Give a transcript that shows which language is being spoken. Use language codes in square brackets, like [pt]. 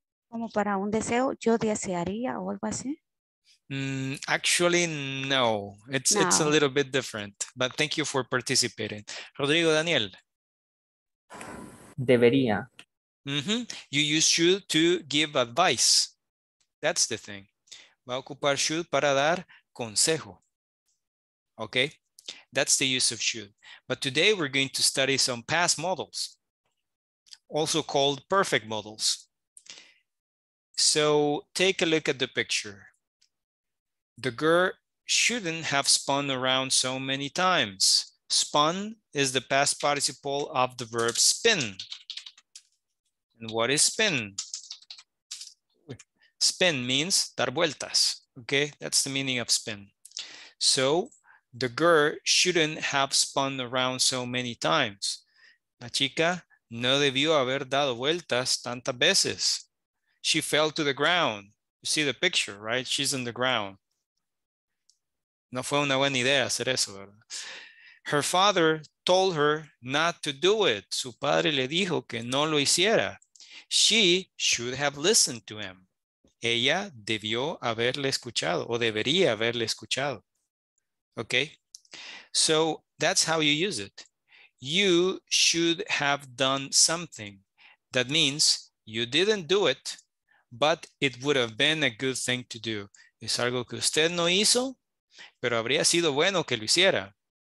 [es] Como para un deseo, yo desearía o algo así. [en] Actually, no. It's a little bit different, but thank you for participating. Rodrigo Daniel. [es] Debería. [en] Mm-hmm. You use should to give advice. That's the thing. [es] Va a ocupar should para dar consejo. [en] Okay, that's the use of should. But today we're going to study some past modals, also called perfect modals. So take a look at the picture. The girl shouldn't have spun around so many times. Spun is the past participle of the verb spin. And what is spin? Spin means [es] dar vueltas, [en] okay? That's the meaning of spin. So The girl shouldn't have spun around so many times. [es] La chica no debió haber dado vueltas tantas veces. [en] She fell to the ground. You see the picture, right? She's on the ground. [es] No fue una buena idea hacer eso, ¿verdad? [en] Her father told her not to do it. [es] Su padre le dijo que no lo hiciera. [en] She should have listened to him. [es] Ella debió haberle escuchado o debería haberle escuchado. [en] Okay, so that's how you use it. You should have done something. That means you didn't do it, but it would have been a good thing to do. [es] Es algo que usted no hizo, pero habría sido bueno que lo hiciera.